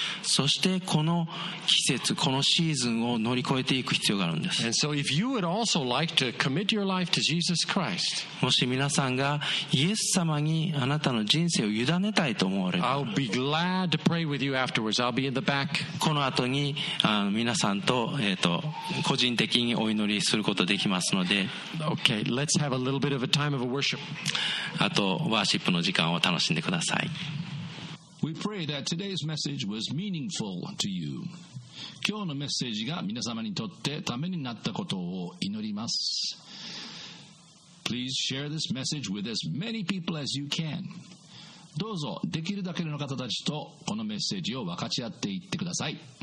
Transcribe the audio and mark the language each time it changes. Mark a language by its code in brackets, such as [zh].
[ja] そしてこの季節、このシーズンを乗り越えていく必要があるんです。 [en] And so if you would also like to commit your life to Jesus Christ, [ja] もし皆さんがイエス様にあなたの人生を委ねたいと思われる、 [en] I'll be glad to pray with you afterwards. I'll be in the back. [ja] この後に皆さんと、個人的にお祈りすることができますので、 [en] okay. Let's have a little bit of a time of worship. [ja] あとワーシップの時間を楽しんでください。 [en] We pray that today's message was meaningful to you. [ja] 今日のメッセージが皆様にとってためになったことを祈ります。 [en] Please share this message with as many people as you can. [ja] どうぞできるだけの方たちとこのメッセージを分かち合っていってください。